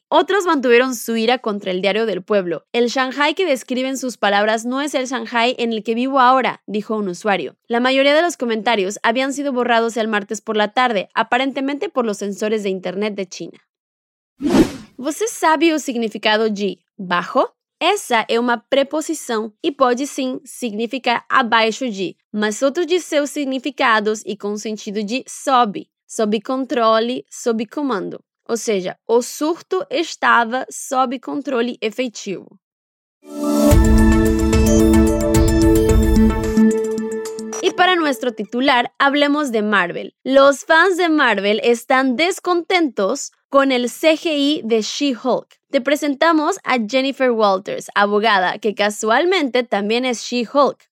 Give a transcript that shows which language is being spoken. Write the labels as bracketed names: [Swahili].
[Spanish] Otros mantuvieron su ira contra el Diario del Pueblo. El Shanghai que describen sus palabras no es el Shanghai en el que vivo ahora, dijo un usuario. La mayoría de los comentarios habían sido borrados el martes por la tarde, aparentemente por los sensores de internet de China. ¿Vos sabe el significado de bajo? [Portuguese] Essa é uma preposição e pode sim significar abaixo de, mas outros de seus significados e com sentido de sob, sob controle, sob comando. Ou seja, o surto estava sob controle efetivo. [Spanish] Y para nuestro titular, hablemos de Marvel. Los fans de Marvel están descontentos con el CGI de She-Hulk. Te presentamos a Jennifer Walters, abogada, que casualmente también es She-Hulk.